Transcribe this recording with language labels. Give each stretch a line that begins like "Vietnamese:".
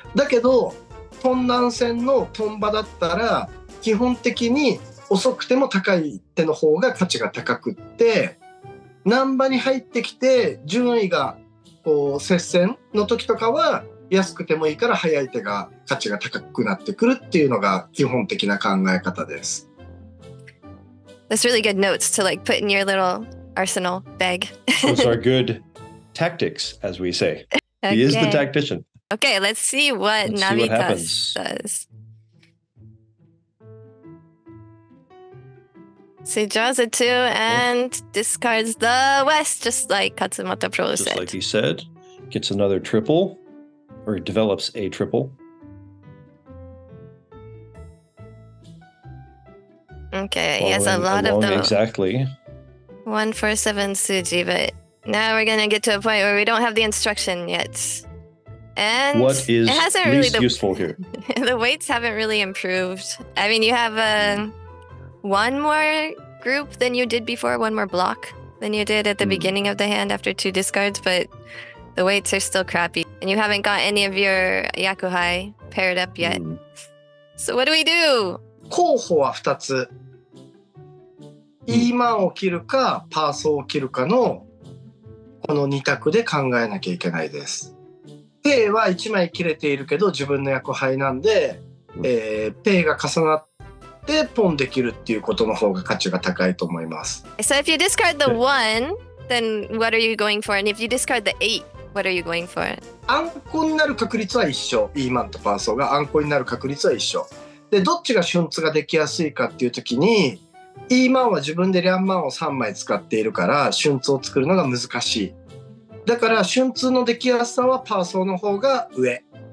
Japanese: だけど豚南線のトンバだったら基本的に遅くても高い手の方が価値が高くって、難波に入ってきて順位がこう接戦の時とかは安くてもいいから早い手が価値が高くなってくるっていうのが基本的な考え方です。
English: That's really good notes to like put in your little arsenal bag. Those are good tactics, as we say. Okay. He is the tactician. Okay, let's see what Navitas does. So he draws a two and discards the west, just like Katsumata Pro said. Just like he said, gets another triple. Or develops a triple. Okay, he has a lot of them. Exactly. 147 suji, but now we're gonna get to a point where we don't have the instruction yet. And what is it hasn't least really the, useful here? The weights haven't really improved. I mean, you have one more group than you did before, one more block than you did at the beginning of the hand after two discards, but the weights are still crappy, and you haven't got any of your yakuhai paired up yet. So what do we do?
Japanese: 候補は2つ。イーマンを切るかパーソーを切るかのこの2択で考えなきゃいけないです。ペイは1枚切れているけど自分の yakuhaiなんで、ペイが重なってポンできるっていうことの方が価値が高いと思います。
English: So if you discard the 1, then what are you going for? And if you discard the 8,What are you going for?
Japanese: アンコになる確率は一緒。イーマンとパーソーがアンコになる確率は一緒。で、どっちが瞬津ができやすいかっていう時に、イーマンは自分でリャンマンを3枚使っているから瞬津を作るのが難しい。だから瞬津のできやすさはパーソーの方が上。